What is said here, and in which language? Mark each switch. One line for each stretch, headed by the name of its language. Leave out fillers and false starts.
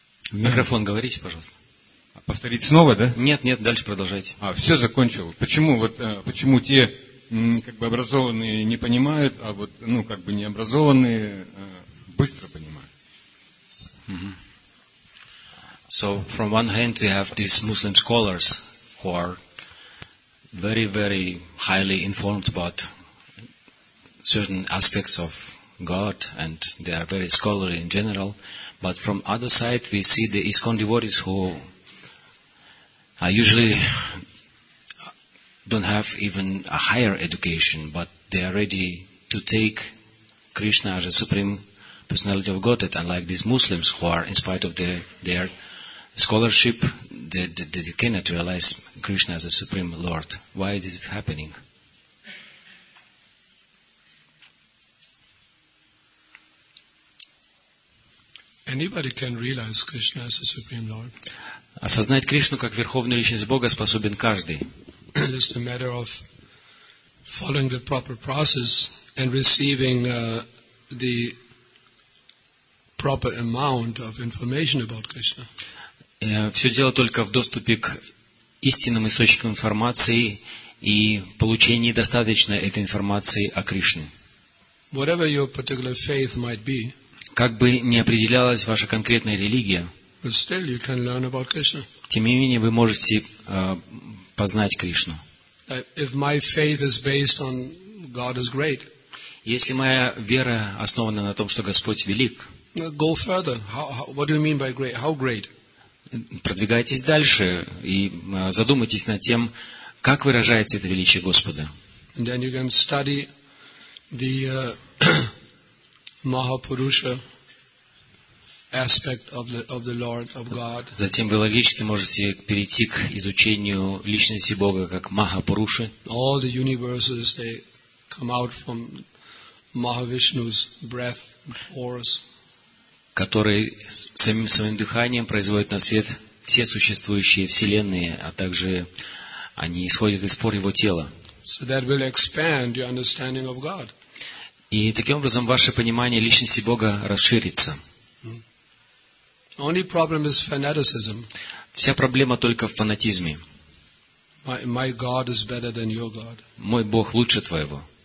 Russian: В микрофон говорите, пожалуйста. Повторить снова, да? Нет, нет, дальше продолжайте. А, все, закончил. Почему, вот, почему те, как бы, образованные не понимают, а вот, ну, как бы, необразованные быстро понимают? Mm-hmm.
English: So, from one hand, we have these Muslim scholars who are very, very highly informed about certain aspects of God, and they are very scholarly in general. But from other side, we see the ISKCON devotees who I usually don't have even a higher education, but they are ready to take Krishna as a supreme personality of Godhead. Unlike these Muslims who are, in spite of their scholarship, they cannot realize Krishna as a supreme Lord. Why is it happening? Anybody can realize Krishna as a supreme Lord.
Russian: Осознать Кришну как верховную личность Бога способен каждый.
English: It is a matter of following the proper process and receiving the proper amount of information about Krishna.
Russian: Все дело только в доступе к истинным источникам информации и получении достаточной этой информации о Кришне.
English: Whatever your particular faith might be.
Russian: Как бы ни определялась ваша конкретная религия.
English: But still, you can learn about Krishna.
Russian: Тем не менее, вы можете познать Кришну.
English: If my faith is based on God is great.
Russian: Если моя вера основана на том, что Господь велик.
English: Go further. What do you mean by great? How great?
Russian: Продвигайтесь дальше и задумайтесь над тем, как выражается это величие Господа.
English: And then you can study the Mahapurusha. Aspect of the Lord of God.
Russian: Затем вы логически можете перейти к изучению личности Бога как Махапуруши.
English: All the universes they come out from Mahavishnu's breath, auras.
Russian: Который своим дыханием производит на свет все существующие вселенные, а также они исходят из пор его тела.
English: So that will expand your understanding of God.
Russian: И таким образом ваше понимание личности Бога расширится.
English: Only problem is fanaticism.
Russian: Вся проблема только в фанатизме.
English: My God is better than your God.
Russian: Мой Бог лучше твоего.